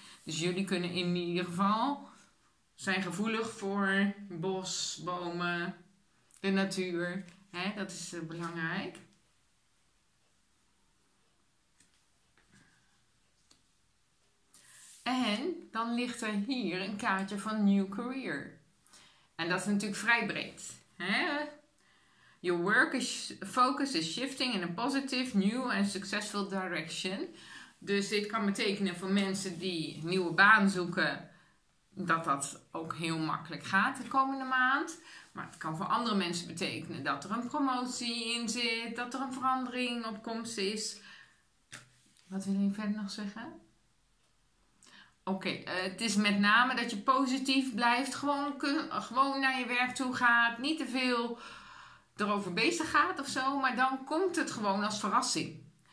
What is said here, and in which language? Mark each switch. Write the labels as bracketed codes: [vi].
[nl] Dus jullie kunnen in ieder geval zijn gevoelig voor bos, bomen, de natuur, hè, dat is belangrijk. En dan ligt er hier een kaartje van New Career. En dat is natuurlijk vrij breed. Hè? [en] Your work is focus is shifting in a positive, new and successful direction. [nl] Dus dit kan betekenen voor mensen die een nieuwe baan zoeken, dat dat ook heel makkelijk gaat de komende maand. Maar het kan voor andere mensen betekenen dat er een promotie in zit, dat er een verandering op komst is. Wat wil je verder nog zeggen? Oké, het is met name dat je positief blijft, gewoon naar je werk toe gaat, niet te veel erover bezig gaat of zo, maar dan komt het gewoon als verrassing.